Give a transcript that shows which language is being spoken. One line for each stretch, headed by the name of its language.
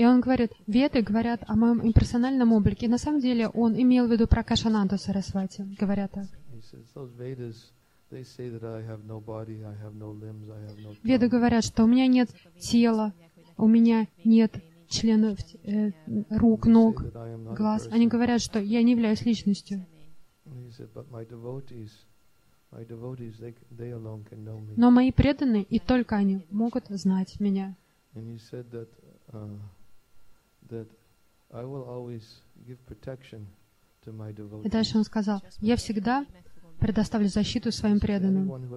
Russian: И он говорит, Веды говорят о моем имперсональном облике. На самом деле он имел в виду Прокашананду Сарасвати, говорят так.
English: He says those Vedas they say that I have no body, I have no limbs, I have no tongue.
Russian: Веды говорят, что у меня нет тела, у меня нет членов рук, ног, глаз. Они говорят, что я не являюсь личностью.
English: He said, but my devotees, they alone can know me.
Russian: Но мои преданные и только они могут знать меня.
English: And he said that that I will always give protection to my devotees.
Russian: И дальше он сказал, я всегда предоставлю защиту своим преданным.